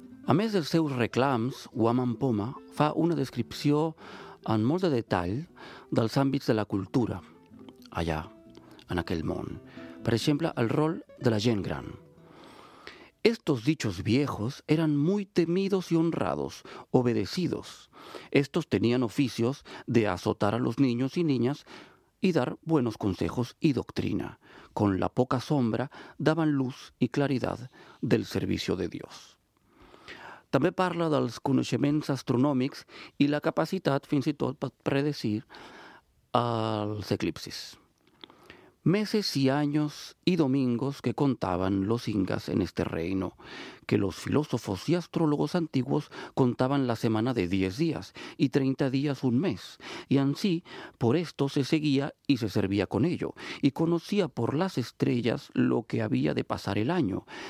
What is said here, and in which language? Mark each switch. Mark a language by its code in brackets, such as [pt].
[ca] A més dels seus reclams, Huaman Poma fa una descripció en molt de detall dels àmbits de la cultura allà, en aquell món. Per exemple, el rol de la gent gran. [es] Estos dichos viejos eran muy temidos y honrados, obedecidos. Estos tenían oficios de azotar a los niños y niñas y dar buenos consejos y doctrina. Con la poca sombra daban luz y claridad del servicio de Dios. [ca] També parla dels coneixements astronòmics i la capacitat, fins i tot, per predecir els eclipsis. [es] Meses y años y domingos que contaban los incas en este reino, que los filósofos y astrólogos antiguos contaban la semana de 10 días y 30 días un mes, y así por esto se seguía y se servía con ello, y conocía por las estrellas lo que había de pasar el año,